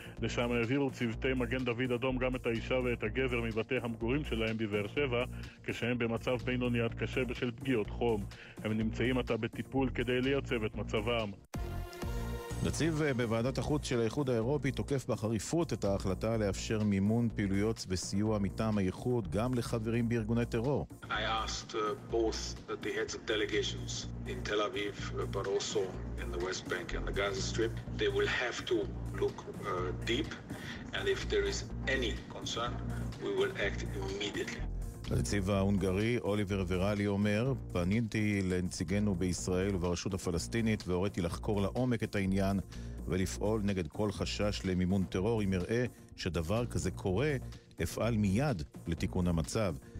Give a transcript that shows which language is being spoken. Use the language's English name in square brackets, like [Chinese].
[Hebrew] לשם העבירו צוותי מגן דוד אדום גם את האישה ואת הגבר מבתי המגורים שלהם בבאר שבע, כשהם במצב בינוני עד קשה בשל פגיעות חום. הם נמצאים עתה בטיפול כדי לייצב את מצבם. נציב בוועדת החוץ של האיחוד האירופי תוקף בחריפות את ההחלטה לאפשר מימון פעילויות וסיוע מטעם האיחוד גם לחברים בארגוני טרור. [English] I asked both the heads of delegations in Tel Aviv but also in the West Bank and the Gaza Strip, they will have to look deep and if there is any concern we will act immediately. [Hebrew] הנציב ההונגרי אוליבר ורלי אומר, פניתי לנציגנו בישראל וברשות הפלסטינית והוריתי לחקור לעומק את העניין ולפעול נגד כל חשש למימון טרור. אם יראה שדבר כזה קורה, אפעל מיד לתיקון המצב.